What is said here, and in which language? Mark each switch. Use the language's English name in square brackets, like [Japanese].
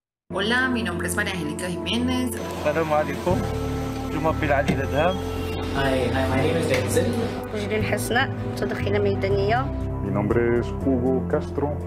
[Spanish] Hola, mi nombre es María Angélica Jiménez. [French] Salam alaikum. Je m'appelle Ali Dadham. [English] Hi, my name is Denzel. [Arabic] Jilin Hasna, متدخلة ميدانية. [Spanish] Mi nombre es Hugo Castro.